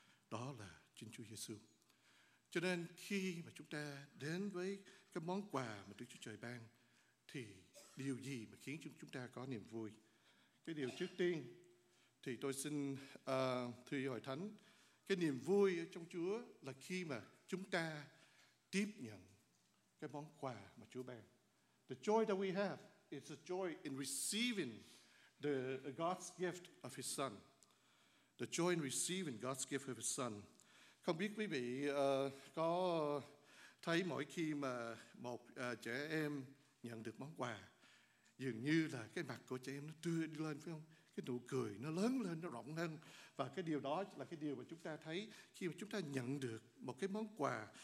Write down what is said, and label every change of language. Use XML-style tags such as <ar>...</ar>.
<vi>Đó là chính Chúa Giê-xu. Cho nên khi mà chúng ta đến với cái món quà mà Đức Chúa Trời ban, thì điều gì mà khiến chúng ta có niềm vui? Cái điều trước tiên thì tôi xin thưa Hội Thánh, cái niềm vui trong Chúa là khi mà chúng ta tiếp nhận cái món quà mà Chúa ban.</vi> <en>The joy that we have is a joy in receiving the God's gift of His Son. The joy in receiving God's gift of His Son.</en> <vi>Không biết quý vị có thấy mỗi khi mà một trẻ em nhận được món quà, dường như là cái mặt của trẻ em nó tươi lên phải không? Cái nụ cười nó lớn lên, nó rộng lên. Và cái điều đó là cái điều mà chúng ta thấy khi mà chúng ta nhận được một cái món quà.</vi>